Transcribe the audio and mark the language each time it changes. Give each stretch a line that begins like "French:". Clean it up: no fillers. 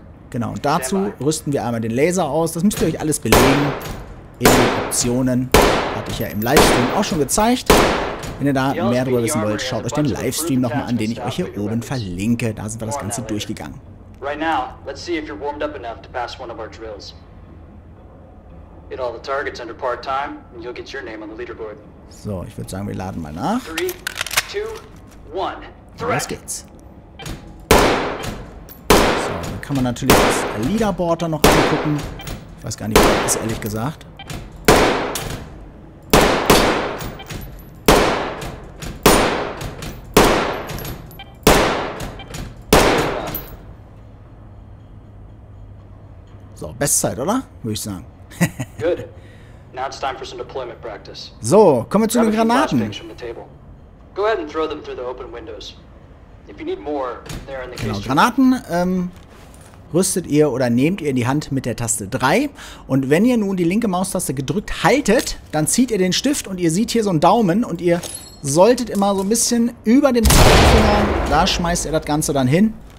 German: Genau, und dazu rüsten wir einmal den Laser aus. Das müsst ihr euch alles belegen. In den Optionen hatte ich ja im Livestream auch schon gezeigt. Wenn ihr da mehr darüber wissen wollt, schaut euch den Livestream nochmal an, den ich euch hier oben verlinke. Da sind wir das Ganze durchgegangen.
English: Right now, let's see if you're warmed up enough to pass one of our drills. Hit all the targets under part time and you'll get your name on the leaderboard.
German: So, ich würde sagen, wir laden mal nach. 3, 2, 1, threat! Los geht's. So, dann kann man natürlich das Leaderboard da noch angucken. Ich weiß gar nicht, was das ist, ehrlich gesagt. So, Bestzeit, oder? Würde ich sagen.
English: Good. Now it's time for some deployment practice.
German: So, kommen wir zu den Granaten.
English: Go ahead and throw them through the open windows. If you need more, they're in the case.
German: Granaten rüstet ihr oder nehmt ihr in die Hand mit der Taste 3. Und wenn ihr nun die linke Maustaste gedrückt haltet, dann zieht ihr den Stift und ihr seht hier so einen Daumen und ihr solltet immer so ein bisschen über den Zeigefinger, da schmeißt ihr das Ganze dann hin.